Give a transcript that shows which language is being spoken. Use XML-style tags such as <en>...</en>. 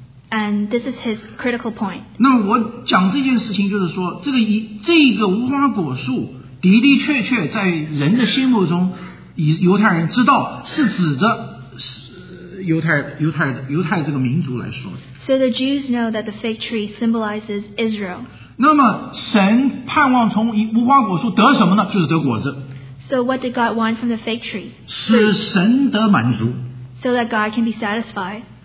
<en>And this is his critical point.</en> <zh>那我讲这件事情就是说，这个一这个无花果树。的的确确在人的心目中，犹太人知道是指着犹太这个民族来说的。</zh> <en>So the Jews know that the fig tree symbolizes Israel.</en> <zh>那么神盼望从无花果树得什么呢？就是得果子。</zh> <en>So what did God want from the fig tree?</en> <zh>使神得满足。</zh> <en>So that God can be satisfied.</en>